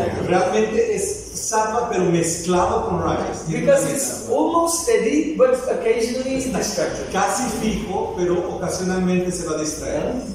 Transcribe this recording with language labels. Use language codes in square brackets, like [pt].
[es] Realmente es sattva pero mezclado con rajas. [en] Because it's almost steady, but occasionally it's distracted. [es] Casi fijo, pero ocasionalmente se va a distraer.